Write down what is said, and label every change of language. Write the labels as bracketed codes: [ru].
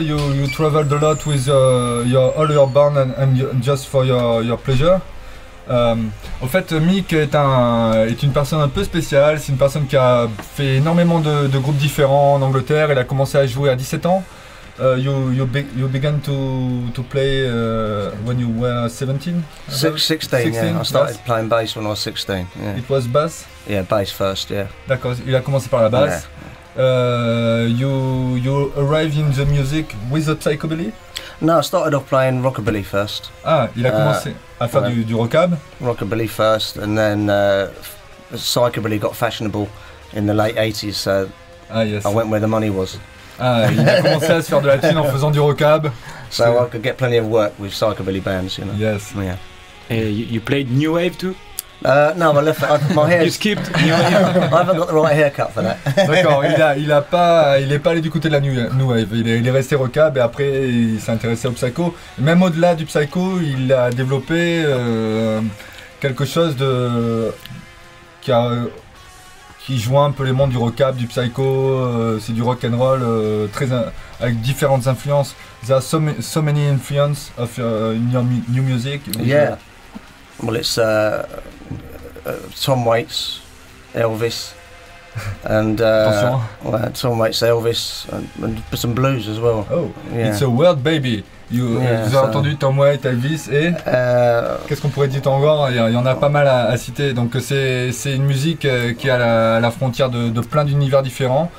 [en] You traveled a lot with all your band and just for your pleasure. [fr] Au fait, Mick est une personne un peu spéciale. C'est une personne qui a fait énormément de groupes différents en Angleterre. Il a commencé à jouer à 17 ans. [en] You began to play when you were 17? 16, yeah. I started playing bass when I was 16. Yeah. It was bass? Yeah, bass first, yeah. [fr] D'accord, il a commencé par la basse. [en] Yeah. You arrived in the music with the psychobilly? No, I started off playing rockabilly first. [fr] Ah, il a commencé à faire du rockab? [en] Rockabilly first, and then psychobilly got fashionable in the late 80s, so yes. I went where the money was. [fr] Ah, il a commencé à se faire de la thune en faisant du rockab. [en] So I could get plenty of work with psychobilly bands, you know. Yes. Yeah. And you played new wave too? No, my left. My hair. You skipped new wave. I haven't got the right haircut for that. [fr] D'accord. Il est pas allé du côté de la new wave. Il est resté rockab et après il s'est intéressé au psycho. Même au-delà du psycho, il a développé quelque chose de qui joint un peu les mondes du rockab, du psycho, c'est du rock and roll avec différentes influences. [en] There are so many influences of your new music. Yeah. Well, it's Tom Waits, Elvis, and Tom Waits, Elvis, and some blues as well. Oh, yeah. It's a world, baby. [fr] Vous avez entendu Tom Waits, Elvis et qu'est-ce qu'on pourrait dire encore? Il y en a pas mal à citer. Donc c'est une musique qui est à la frontière de plein d'univers différents.